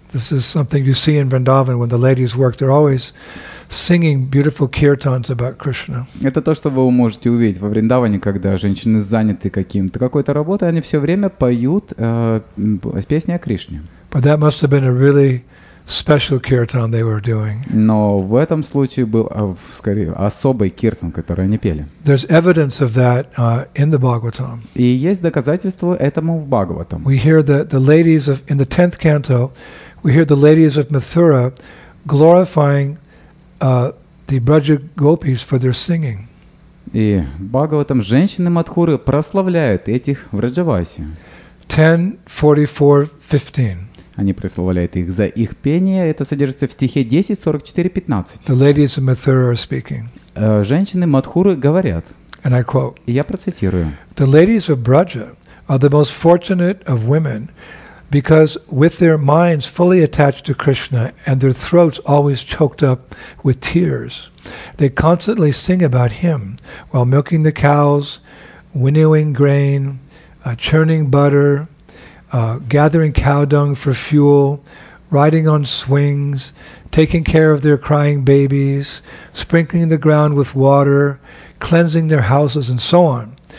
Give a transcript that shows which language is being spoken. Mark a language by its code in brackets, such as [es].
[en] This is something you see in Vrindavan when the ladies work. They're always singing beautiful kirtans about Krishna. [ru] Это то, что вы можете увидеть во Вриндаване, когда женщины заняты какой-то работой, они все время поют песни о Кришне. [en] But that must have been a really special kirtan they were doing. [ru] Но в этом случае был скорее особый киртан, который они пели. [en] There's evidence of that in the Bhagavatam. [ru] И есть доказательства этому в Бхагаватам. [en] We hear the ladies of in the 10th canto. We hear the ladies of Mathura glorifying the Braja Gopis for their singing. [ru] И Бхагаватам женщины Матхуры прославляют этих в Раджаваси. [en] 10:44-15. [ru] Они прославляют их за их пение. Это содержится в стихе 10:44-15. [en] The ladies of Mathura are speaking. [ru] Женщины Матхуры говорят. [en] And I quote. [ru] Я процитирую. [en] The ladies of Braja are the most fortunate of women. Because with their minds fully attached to Krishna and their throats always choked up with tears, they constantly sing about Him while milking the cows, winnowing grain, churning butter, gathering cow dung for fuel, riding on swings, taking care of their crying babies, sprinkling the ground with water, cleansing their houses, and so on.